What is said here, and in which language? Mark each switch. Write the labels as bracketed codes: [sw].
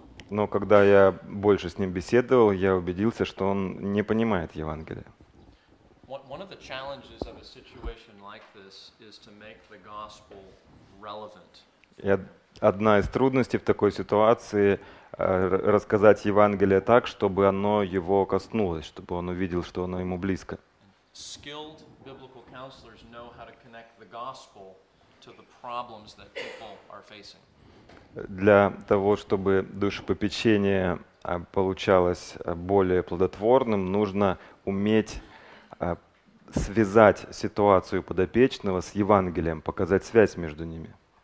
[ru] Но когда я больше с ним беседовал, я убедился, что он не понимает Евангелие. [en] One of the challenges of a situation like this is to make the gospel relevant. [ru] Одна из трудностей в такой ситуации рассказать Евангелие так, чтобы оно его коснулось, чтобы он увидел, что оно ему близко. [en] Skilled biblical counselors know how to connect the gospel to the problems that people are facing. [ru] Для того, чтобы душепопечение получалось более плодотворным, нужно уметь связать ситуацию подопечного с Евангелием, показать связь между ними.